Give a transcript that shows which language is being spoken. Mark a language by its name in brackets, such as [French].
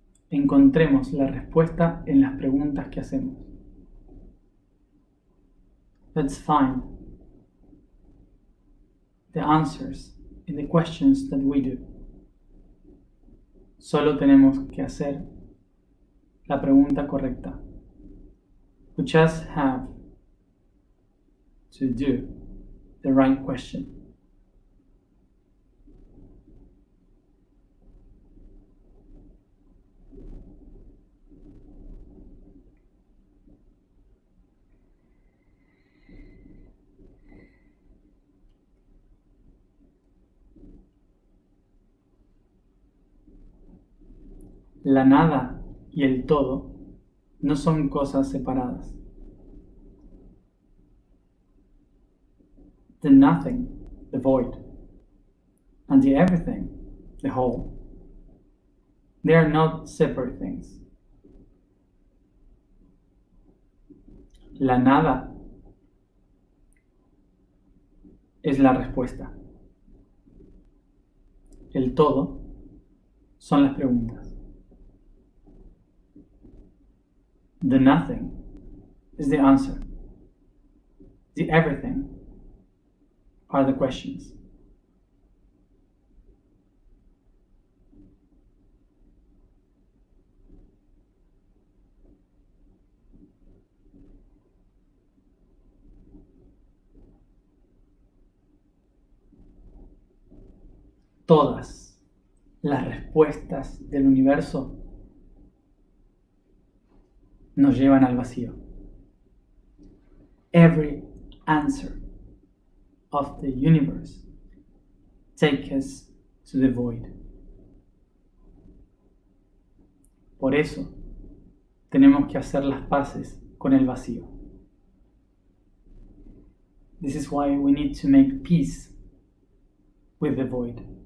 [Spanish] Encontremos la respuesta en las preguntas que hacemos. [English] Let's find the answers in the questions that we do. [Spanish] Solo tenemos que hacer la pregunta correcta. [English] We just have to do the right question. [Spanish] La nada y el todo no son cosas separadas. [English] The nothing, the void, and the everything, the whole, they are not separate things. [Spanish] La nada es la respuesta. El todo son las preguntas. [English] The nothing is the answer. The everything are the questions. [Spanish] Todas las respuestas del universo nos llevan al vacío. [English] Every answer of the universe takes us to the void. [Spanish] Por eso tenemos que hacer las paces con el vacío. [English] This is why we need to make peace with the void.